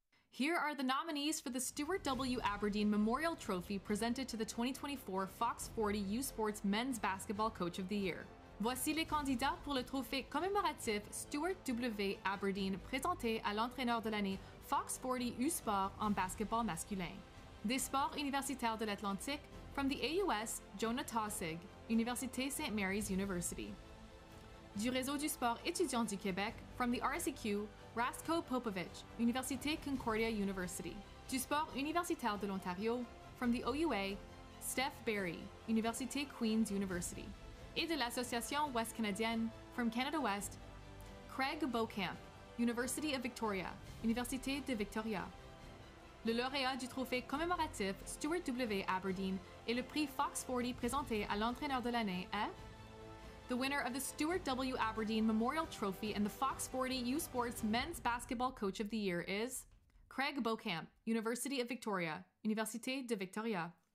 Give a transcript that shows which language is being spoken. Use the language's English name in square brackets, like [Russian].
[English] Here are the nominees for the Stuart W. Aberdeen Memorial Trophy presented to the 2024 Fox 40 U Sports Men's Basketball Coach of the Year. [French] Voici les candidats pour le trophée commémoratif Stuart W. Aberdeen présenté à l'entraîneur de l'année Fox 40 U Sport en basketball masculin. Des Sports Universitaires de l'Atlantique, [English] from the AUS, [French] Jonah Taussig, Université St. Mary's University. Du réseau du sport étudiant du Québec, [English] from the RSEQ, [French] Rasko Popovich, Université Concordia University. Du sport universitaire de l'Ontario, [English] from the OUA, [French] Steph Berry, Université Queen's University. Et de l'Association Ouest Canadienne, [English] from Canada West, [French] Craig Beaucamp, University of Victoria, Université de Victoria. Le lauréat du trophée commémoratif Stuart W. Aberdeen et le prix Fox 40 présenté à l'entraîneur de l'année est... [English] The winner of the Stuart W. Aberdeen Memorial Trophy and the Fox 40 U Sports Men's Basketball Coach of the Year is Craig Beaucamp, University of Victoria, Université de Victoria.